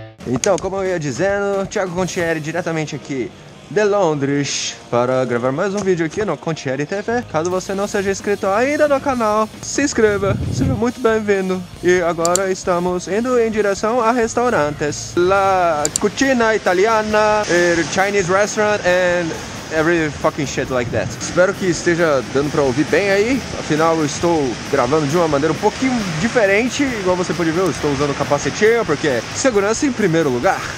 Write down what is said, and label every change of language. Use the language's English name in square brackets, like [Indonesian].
[Portuguese] Então, como eu ia dizendo, Thiago Concheri diretamente aqui de Londres para gravar mais um vídeo aqui no Concheri TV. Caso você não seja inscrito ainda no canal, se inscreva, seja muito bem-vindo. E agora estamos indo em direção a restaurantes. [English] La Cucina Italiana, Chinese Restaurant and every fucking shit like that. [Portuguese] Espero que esteja dando pra ouvir bem aí. Afinal, eu estou gravando de uma maneira um pouquinho diferente. Igual você pode ver, eu estou usando capacetinho, porque segurança em primeiro lugar.